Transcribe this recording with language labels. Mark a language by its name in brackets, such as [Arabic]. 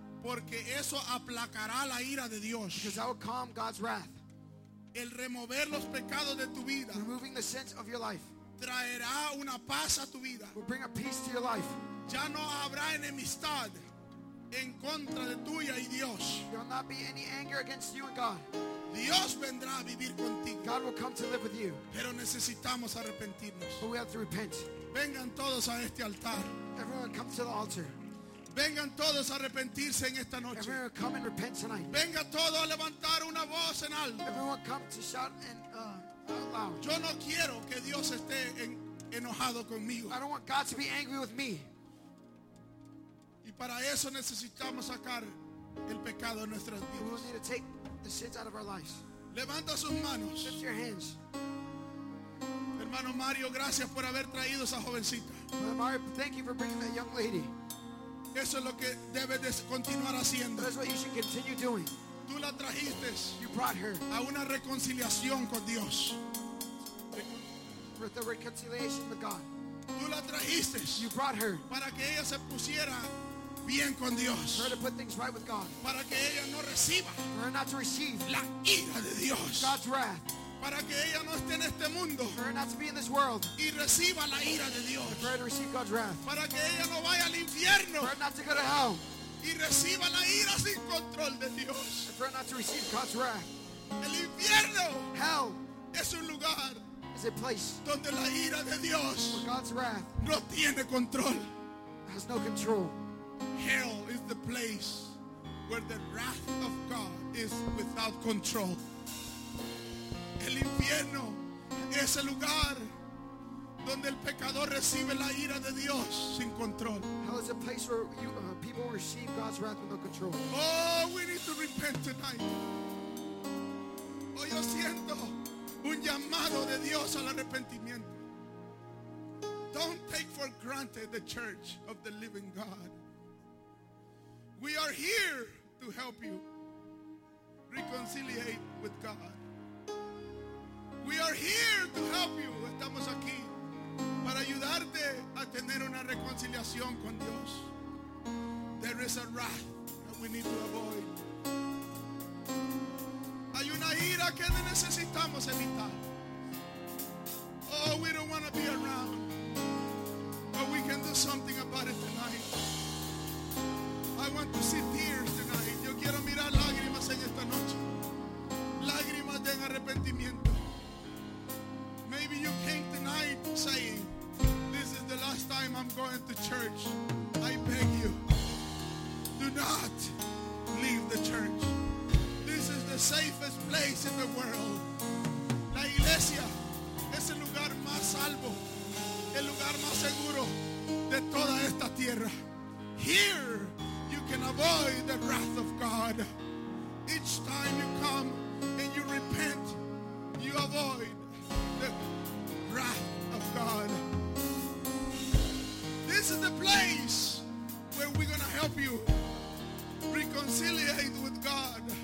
[Spanish] Porque eso aplacará la ira de Dios. [English] Because that will calm God's wrath. [Spanish] El remover los pecados de tu vida. [English] Removing the sins of your life. [Spanish] Traerá una paz a tu vida. [English] Will bring a peace to your life. [Spanish] Ya no habrá enemistad en contra de tuya y Dios. [English] There will not be any anger against you and God. [Spanish] Dios vendrá a vivir contigo. [English] God will come to live with you. [Spanish] Pero necesitamos arrepentirnos. [English] But we have to repent. [Spanish] Vengan todos a este altar. [English] Everyone come to the altar. [Spanish] Vengan todos a arrepentirse en esta noche. [English] Everyone come and repent tonight. [Spanish] Venga todo a levantar una voz en alto. [English] Everyone come to shout and loud. [Spanish] Yo no quiero que Dios esté enojado conmigo. [English] I don't want God to be angry with me. [Spanish] Y para eso necesitamos sacar el pecado de nuestras vidas. [English] We need to take the sins out of our lives. [Spanish] Levanta sus manos. [English] Lift your hands. [Spanish] Hermano Mario, gracias por haber traído esa jovencita. [English] Brother Mario, thank you for bringing that young lady. [Spanish] Eso es lo que debes de continuar haciendo. [English] That's what you should continue doing. [Spanish] Tú la trajiste. [English] You brought her. [Spanish] A una reconciliación con Dios. [English] With the reconciliation with God. [Spanish] Tú la trajiste. [English] You brought her. [Spanish] Para que ella se pusiera bien con Dios. [English] For her to put things right with God. [Spanish] Para que ella no reciba. [English] For her not to receive. [Spanish] La ira de Dios. [English] God's wrath. [Spanish] Para que ella no esté en este mundo. [English] For her not to be in this world. [Spanish] Y reciba la ira de Dios. [English] For her to receive God's wrath. [Spanish] Para que ella no vaya al infierno. [English] For her not to go to hell. [Spanish] Y reciba la ira sin control de Dios. [English] And for her not to receive God's wrath. [Spanish] El infierno. [English] Hell. [Spanish] Es un lugar. [English] Is a place. [Spanish] Donde la ira de Dios. [English] Where God's wrath. [Spanish] No tiene control. [English] Has no control. Hell is the place where the wrath of God is without control. [Spanish] El infierno es el lugar donde el pecador recibe la ira de Dios sin control. [English] Hell is a place where you, people receive God's wrath without control. Oh, we need to repent tonight. Oh, [Spanish] yo siento un llamado de Dios al arrepentimiento. [English] Don't take for granted the church of the living God. We are here to help you reconciliate with God. We are here to help you. [Spanish] Estamos aquí para ayudarte a tener una reconciliación con Dios. [English] There is a wrath that we need to avoid. [Spanish] Hay una ira que necesitamos evitar. [English] Oh, we don't want to be around, but we can do something about it tonight. I want to see tears tonight. [Spanish] Yo quiero mirar lágrimas en esta noche. Lágrimas de arrepentimiento. [English] Maybe you came tonight saying, this is the last time I'm going to church. I beg you, do not leave the church. This is the safest place in the world. [Spanish] La iglesia es el lugar más salvo, el lugar más seguro de toda esta tierra. [English] Here you can avoid the wrath of God. Each time you come and you repent, you avoid the wrath of God. This is the place where we're going to help you reconciliate with God.